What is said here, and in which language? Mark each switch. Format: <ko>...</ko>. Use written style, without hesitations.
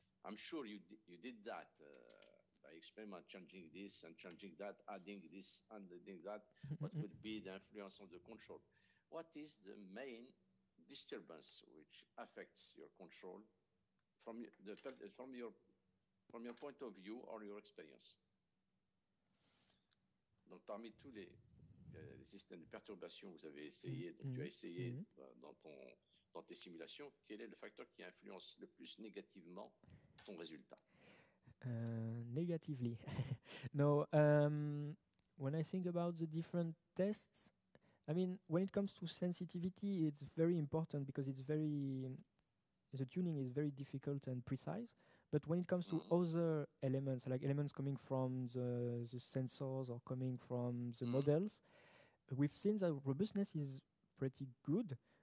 <en>I'm sure you did that by experiment, changing this and changing that, adding this and adding that. What would be the influence on the control? What is the main disturbance which affects your control from your point of view or your experience?</en> <fr>Donc parmi tous les systèmes de perturbation que vous avez essayé, donc tu as essayé dans tes simulations, quel est le facteur qui influence le plus négativement ton résultat?</fr> <en>Negatively. No, when I think about the different tests, I mean, when it comes to sensitivity, it's very important because it's very, the tuning is very difficult and precise. But when it comes to other elements, like elements coming from the sensors or coming from the models, we've seen that robustness is pretty good.</en>